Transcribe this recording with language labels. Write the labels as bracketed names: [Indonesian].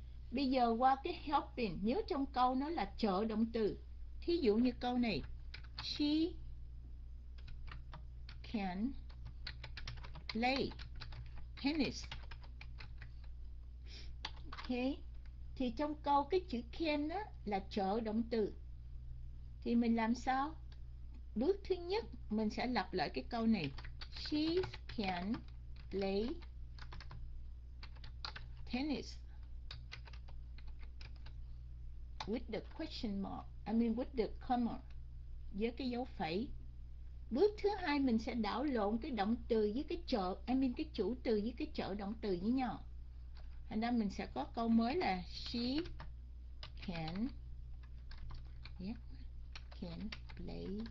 [Vietnamese] Bây giờ qua cái helping, nếu trong câu nó là trợ động từ, thí dụ như câu này, [English] she can play tennis. [Vietnamese] Okay. Thì trong câu cái chữ can đó là trợ động từ. Thì mình làm sao? Bước thứ nhất mình sẽ lặp lại cái câu này. [English] She can play tennis with the question mark, I mean with the comma, [Vietnamese] với cái dấu phẩy. Bước thứ hai mình sẽ đảo lộn cái động từ với cái trợ, [English] I mean [Vietnamese] cái chủ từ với cái trợ động từ với nhau. Thành ra mình sẽ có câu mới là [English] she can, can play.